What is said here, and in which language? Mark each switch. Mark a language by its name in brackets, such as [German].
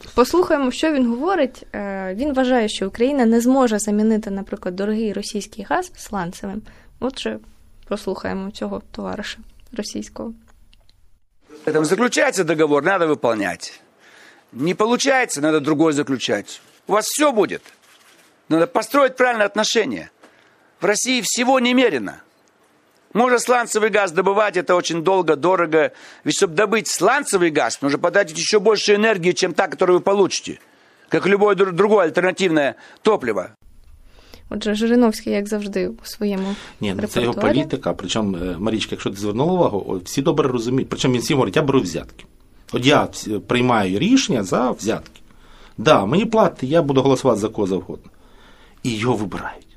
[Ukrainian] Послухаємо, що він говорить. Він вважає, що Україна не зможе замінити, наприклад, дорогий російський газ сланцевим. Отже, послухаємо цього товариша російського. Там заключається договор, треба виконувати. Не виходить, треба другой заключати. У вас все буде. [Russian] Надо построить правильное отношение. В России всего немерено. Можно сланцевый газ добывать, это очень долго, дорого. Ведь чтобы добыть сланцевый газ, нужно потратить еще больше энергии, чем та, которую вы получите. Как любое другое альтернативное топливо. [Ukrainian] Отже, Жириновський, як завжди, у своєму репертуарі. Ні, ну це його політика. Причому, Марічка, якщо ти звернула увагу, всі добре розуміють. Причому він всім говорить, [Russian] я беру взятки. [Ukrainian] От я приймаю рішення за взятки. Да, мені платить, я буду голосувати за кого завгодно. І його вибирають.